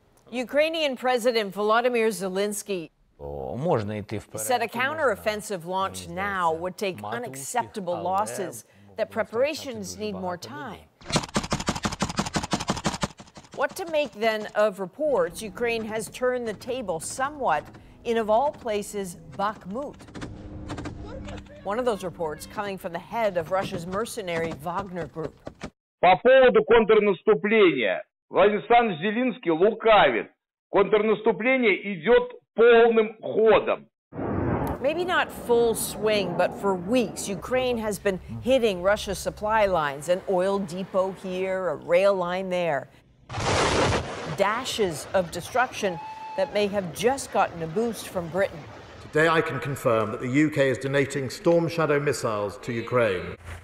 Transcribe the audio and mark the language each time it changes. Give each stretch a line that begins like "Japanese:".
English: Ukrainian President Volodymyr Zelensky said a counteroffensive launch now would take unacceptable losses, that preparations need more time. What to make then of reports Ukraine has turned the table somewhat in, of all places, Bakhmut? One of those reports coming from the head of Russia's mercenary Wagner group.
Russian: По поводу контрнаступления. Владислав Зеленский лукавит. Контрнаступление идет полным ходом.
English: Maybe not full swing, but for weeks, Ukraine has been hitting Russia's supply lines, an oil depot here, a rail line there. Dashes of destruction that may have just gotten a boost from Britain. Today I can confirm that the UK is donating Storm Shadow missiles to Ukraine.